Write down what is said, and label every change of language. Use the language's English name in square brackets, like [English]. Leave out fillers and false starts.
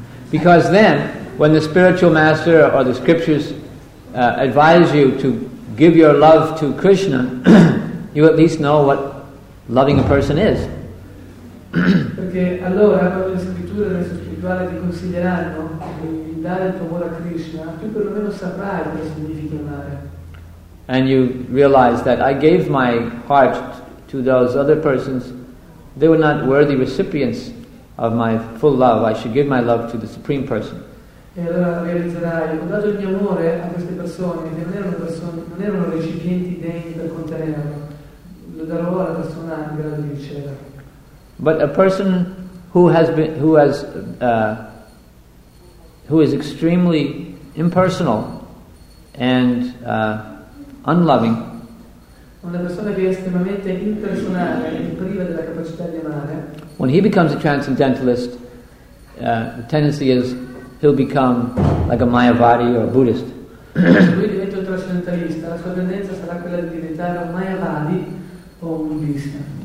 [English] Because then, when the spiritual master or the scriptures advise you to give your love to Krishna, you at least know what loving a person is. [Italian] Perché allora quando le scritture e le spirituali ti consiglieranno di dare il tuo amore a Krishna, tu perlomeno saprai cosa significa amare. [English] And you realize that I gave my heart to those other persons, they were not worthy recipients of my full love. I should give my love to the Supreme Person. [Italian] E allora realizzerai, ho dato il mio amore a queste persone che non erano recipienti degni per contenerlo. Lo darò alla persona in grado di ricevere. [English] But a person who is extremely impersonal and unloving. [Italian] Una persona che è estremamente impersonale e priva della capacità di amare. [English] When he becomes a transcendentalist, the tendency is he'll become like a Mayavadi or a Buddhist. [Italian] Lui diventa trascendentalista, la sua tendenza sarà quella di diventare un Mayavadi o un Buddhista.